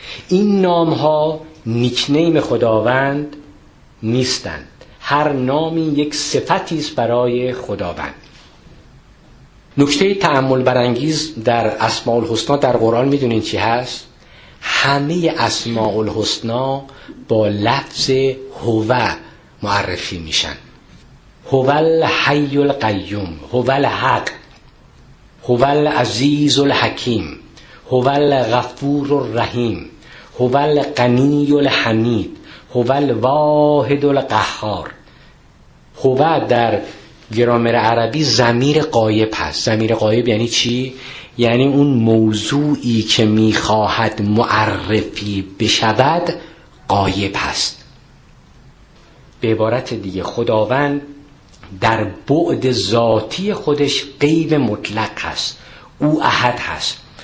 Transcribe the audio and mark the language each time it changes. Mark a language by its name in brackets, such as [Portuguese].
[Persian] این نامها نیکنیم خداوند نیستند، هر نامی یک صفتی است برای خداوند. نکته تأمل برانگیز در اسماء الحسنا در قرآن میدونین چی هست؟ همه اسماء الحسنا با لفظ هو معرفی میشن. [Arabic] هو الحی القیوم، هو الحق، هو العزیز الحکیم، هو الغفور الرحیم، هو الغنی الحمید، هو الواحد القهار. [Persian] هو در گرامر عربی ضمیر غایب هست. ضمیر غایب یعنی چی؟ یعنی اون موضوعی که میخواهد معرفی بشود غایب هست. به عبارت دیگه خداوند در بعد ذاتی خودش غیب مطلق هست، او احد هست.